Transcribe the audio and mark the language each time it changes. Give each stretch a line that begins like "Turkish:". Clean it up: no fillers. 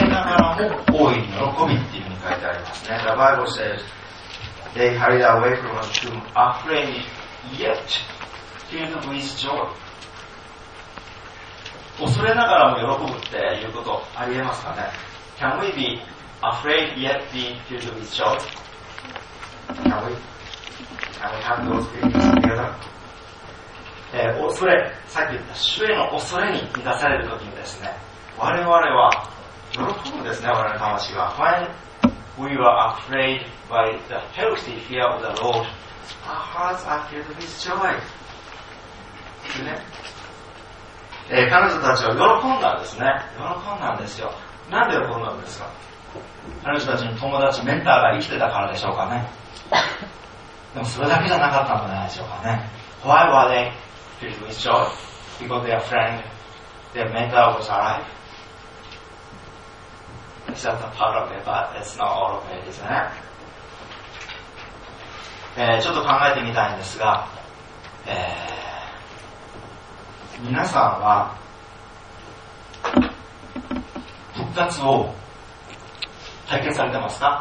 English: The Bible says they hurried away from the tomb, afraid yet filled with joy.
Japanese: 恐れながらも喜ぶっていうことありえますかね?
English: Can we be afraid yet be filled with joy? Can we have those feelings together?
Japanese: 恐れ、さっき言った主への恐れに満たされるときにですね、我々は喜ぶんですね。我々の魂は
English: When we are afraid by the healthy fear of the Lord, our hearts are filled with joy、
Japanese: ね、彼女たちは喜んだんですね。喜んだんですよ。なんで喜んだんですか。彼女たちの友達、メンターが生きてたからでしょうかね。でもそれだけじゃなかったんじゃないでしょうかね。
English: Why were they filled with joy? Because their friend, their mentor was aliveIt's just a part of it, but it's not all of it, isn't it?
Japanese: ちょっと考えてみたいんですが、皆さんは復活を体験されてますか？